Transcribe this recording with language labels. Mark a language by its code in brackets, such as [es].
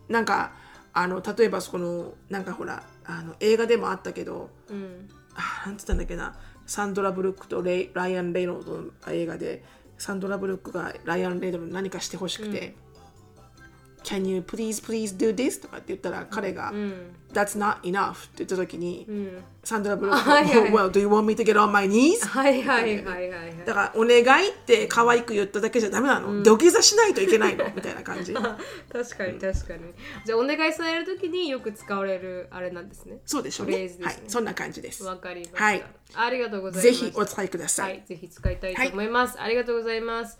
[ja] なんか、例えば、その、なんかほら、映画でもあったけど、うん、あ、なんて言ったんだっけな、サンドラ・ブルックとライアン・レイノルドの映画で、サンドラ・ブルックがライアン・レイノルドに何かしてほしくて、うん、 [en] Can you please please do this? [ja] とかって言ったら彼が、うん、 [en] That's not enough [ja] って言った時に、うん、 [en] サンドラブロックが、Well, do you want me to get on my knees? [ja] はいはいはいはい。だからお願いって可愛く言っただけじゃダメなの、うん、土下座しないといけないのみたいな感じ確かに確かに、うん、じゃあお願いされる時によく使われるあれなんですね。そうでしょうね、フレーズですね、はい、そんな感じです。わかりました、はい、ありがとうございます。ぜひお使いください。はい、ぜひ使いたいと思います、はい、ありがとうございます。